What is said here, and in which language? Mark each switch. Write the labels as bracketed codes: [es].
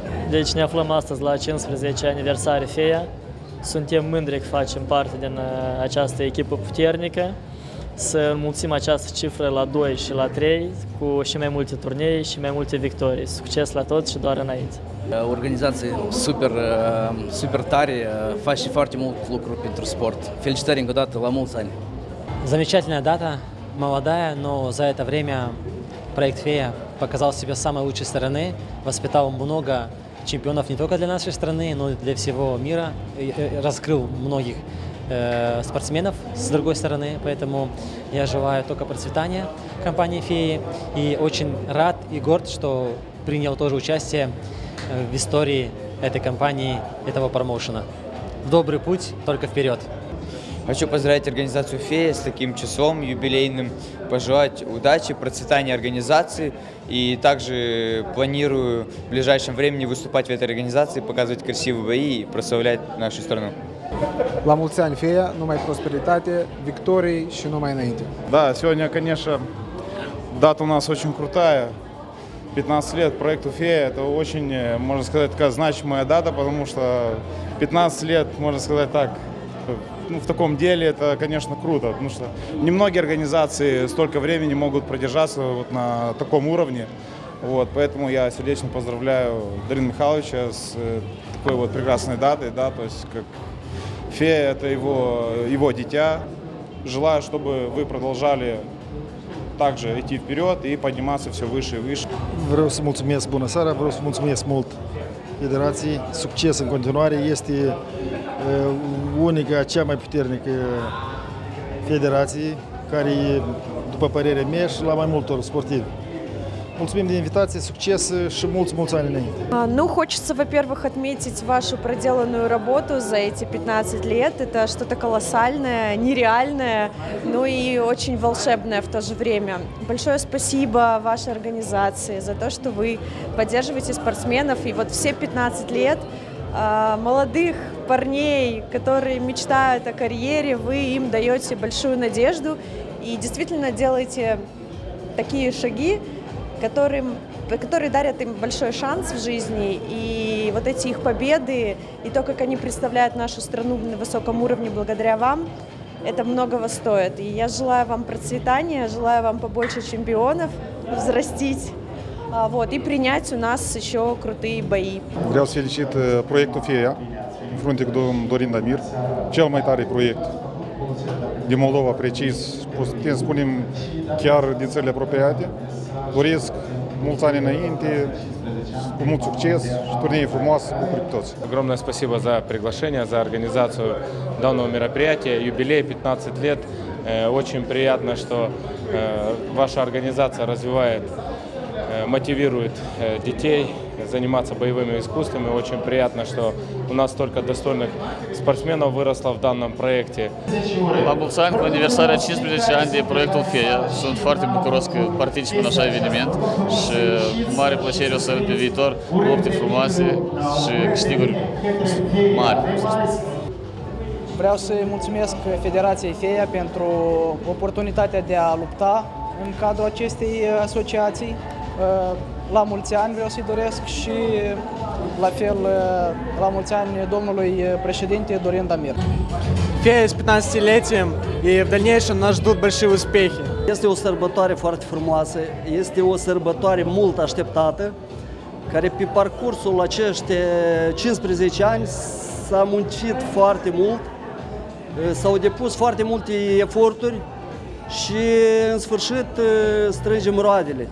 [ro] Deci ne aflăm astăzi la 15 aniversare FEA. Suntem mândri că facem parte din această echipă puternică. Să înmulțim această cifră la 2 și la 3 cu și mai multe turnee și mai multe victorii. Succes la toți și doar înainte! Organizație super, super tare, faci și foarte mult lucruri pentru sport. Felicitări încă o dată, la mulți ani! [ru] Замечательная дата, молодая, но за это время проект «Фея» показал себя с самой лучшей стороны, воспитал много чемпионов не только для нашей страны, но и для всего мира, и раскрыл многих спортсменов с другой стороны, поэтому я желаю только процветания компании «Феи» и очень рад и горд, что принял тоже участие в истории этой компании, этого промоушена. Добрый путь, только вперед! Хочу поздравить организацию «Фея» с таким числом юбилейным, пожелать удачи, процветания организации и также планирую в ближайшем времени выступать в этой организации, показывать красивые бои и прославлять нашу страну. [ro] La mulți ani, Feia, numai prosperitate, victorii și numai înainte. [ru] Da, сегодня, конечно, дата у нас очень крутая. 15 лет проекту «Фея» – это очень, можно сказать, такая значимая дата, потому что 15 лет, можно сказать так, ну, в таком деле это, конечно, круто, потому что немногие организации столько времени могут продержаться вот на таком уровне. Вот, поэтому я сердечно поздравляю Дарина Михайловича с такой вот прекрасной датой, да, то есть как «Фея» – это его, его дитя. Желаю, чтобы вы продолжали также идти вперед и подниматься все выше и выше. [ro] Vreau să mulțumesc, bună seara, vreau să mulțumesc mult federației, succes în continuare, este unica, cea mai puternică federație, care e, după părerea mea, și la mai multor sportivi. Мульцмин инвитации, успехи и мульцмульцмин. [ru] Ну, хочется, во-первых, отметить вашу проделанную работу за эти 15 лет. Это что-то колоссальное, нереальное, ну и очень волшебное в то же время. Большое спасибо вашей организации за то, что вы поддерживаете спортсменов. И вот все 15 лет молодых парней, которые мечтают о карьере, вы им даете большую надежду и действительно делаете такие шаги, которые дарят им большой шанс в жизни, и вот эти их победы, и то, как они представляют нашу страну на высоком уровне благодаря вам, это многого стоит. И я желаю вам процветания, желаю вам побольше чемпионов взрастить, вот, и принять у нас еще крутые бои. [ro] Vreau să felicit proiectul FEA, în frunte cu domnul Dorin Damir, cel mai tare proiect din Moldova, precis, putem spune chiar din țările apropiate. Doresc mulți ani înainte, cu mult succes și turnee frumoase, bucuri pe toți. [ru] Огромное спасибо за приглашение, за организацию данного мероприятия. Юбилей 15 лет. Очень приятно, что ваша организация развивает, мотивирует детей заниматься боевыми искусствами. Очень приятно, что у нас столько достойных спортсменов выросло в данном проекте. [ro] La mulți ani, aniversare a 15 ani de proiectul FEA. Sunt foarte bucuros că particip în așa eveniment și mare plăcere o să avem pe viitor lupte frumoase și câștiguri mari. Vreau să-i mulțumesc Federației FEA pentru oportunitatea de a lupta în cadrul acestei asociații. La mulți ani vreau să-i doresc și la fel la mulți ani domnului președinte Dorin Damir. [ru] Фея с 15-летием и в дальнейшем нас ждут большие успехи. [ro] Este o sărbătoare foarte frumoasă, este o sărbătoare mult așteptată, care pe parcursul acești 15 ani s-a muncit foarte mult, s-au depus foarte multe eforturi și în sfârșit strângem roadele.